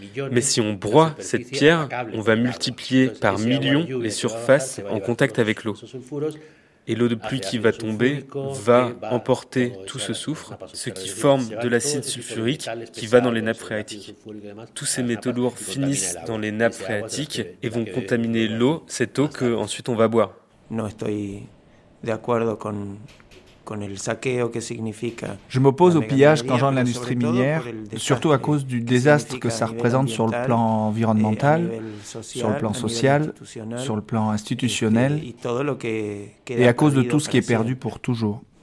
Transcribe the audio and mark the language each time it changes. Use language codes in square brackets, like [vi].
[fr] Mais si on broie cette pierre, on va multiplier par millions les surfaces en contact avec l'eau. Et l'eau de pluie qui va tomber va emporter tout ce soufre, ce qui forme de l'acide sulfurique qui va dans les nappes phréatiques. Tous ces métaux lourds finissent dans les nappes phréatiques et vont contaminer l'eau, cette eau que ensuite on va boire. [es] Non, estoy de acuerdo con el saqueo que significa. [fr] Je m'oppose au pillage qu'engendre l'industrie minière, surtout à cause du désastre que ça représente sur le plan environnemental, sur le plan social, sur le plan institutionnel, et à cause de tout ce qui est perdu pour toujours.